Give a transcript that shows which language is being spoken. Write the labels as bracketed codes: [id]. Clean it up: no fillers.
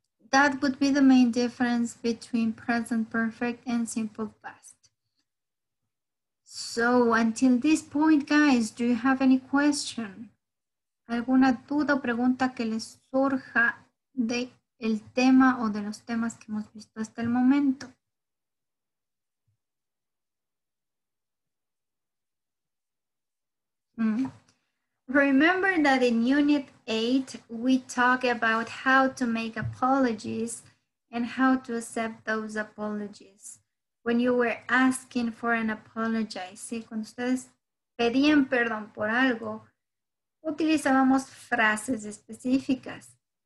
[en] That would be the main difference between present perfect and simple past. So, until this point, guys, do you have any question? [es] ¿Alguna duda o pregunta que les surja del tema o de los temas que hemos visto hasta el momento? [en] Remember that in Unit 8, we talk about how to make apologies and how to accept those apologies. When you were asking for an apology, [es] ¿sí? Cuando ustedes pedían perdón por algo, utilizábamos frases específicas.